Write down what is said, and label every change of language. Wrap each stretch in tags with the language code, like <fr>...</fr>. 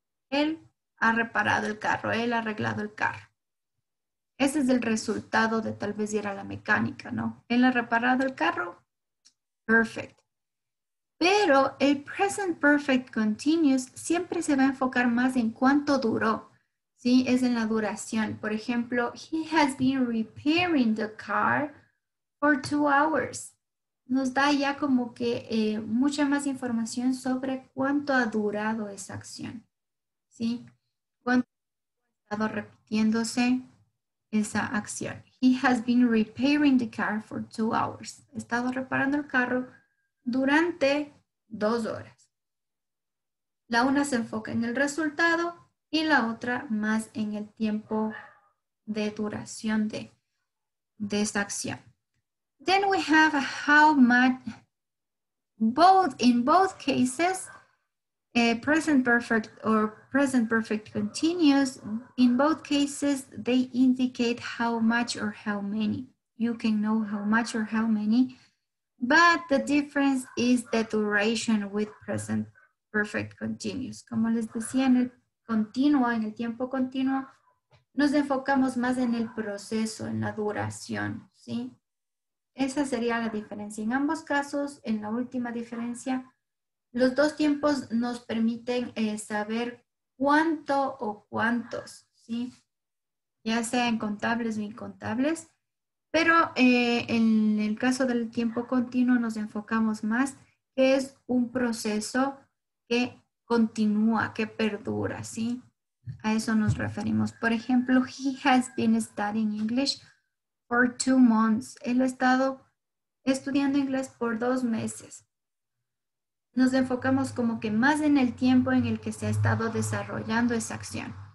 <es>Él ha reparado el carro, él ha arreglado el carro. Ese es el resultado de tal vez ir a la mecánica, ¿no? Él ha reparado el carro, perfect. Pero el present perfect continuous siempre se va a enfocar más en cuánto duró. Sí, es en la duración. Por ejemplo,</es> <en>he has been repairing the car for 2 hours.</en> <es>Nos da ya como que mucha más información sobre cuánto ha durado esa acción. ¿Sí? Cuánto ha estado repitiéndose esa acción.</es> <en>He has been repairing the car for 2 hours.</en> <es>Ha estado reparando el carro durante 2 horas. La una se enfoca en el resultado y la otra más en el tiempo de duración de esa acción.</es> <en>Then we have how much, both in both cases, present perfect or present perfect continuous, in both cases, they indicate how much or how many. You can know how much or how many, but the difference is the duration with present perfect continuous.</en> <es>Como les decía, en el continuo, en el tiempo continuo, nos enfocamos más en el proceso, en la duración, ¿sí? Esa sería la diferencia. En ambos casos, en la última diferencia, los dos tiempos nos permiten saber cuánto o cuántos, ¿sí? Ya sean contables o incontables, pero en el caso del tiempo continuo nos enfocamos más que es un proceso que continúa, que perdura, ¿sí? A eso nos referimos. Por ejemplo,</es> <en>he has been studying English for 2 months.</en> <es>Él ha estado estudiando inglés por 2 meses. Nos enfocamos como que más en el tiempo en el que se ha estado desarrollando esa acción.</es>